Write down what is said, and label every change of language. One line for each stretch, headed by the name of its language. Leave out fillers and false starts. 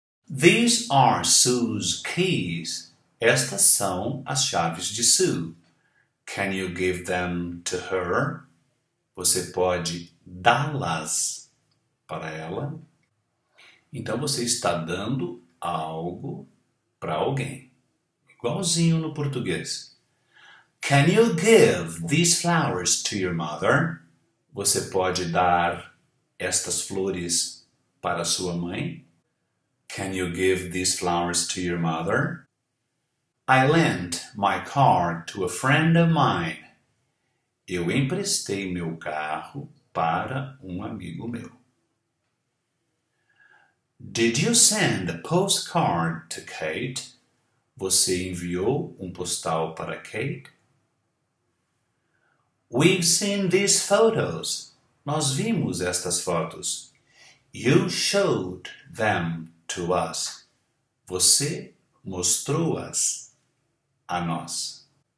English: These are Sue's keys.
Portuguese: Estas são as chaves de Sue.
English: Can you give them to her?
Portuguese: Você pode dá-las para ela. Então, você está dando algo para alguém. Igualzinho no português.
English: Can you give these flowers to your mother?
Portuguese: Você pode dar estas flores para sua mãe?
English: Can you give these flowers to your mother? I lent my car to a friend of mine.
Portuguese: Eu emprestei meu carro para um amigo meu.
English: Did you send a postcard to Kate?
Portuguese: Você enviou um postal para Kate?
English: We've seen these photos.
Portuguese: Nós vimos estas fotos.
English: You showed them to us.
Portuguese: Você mostrou-as a nós.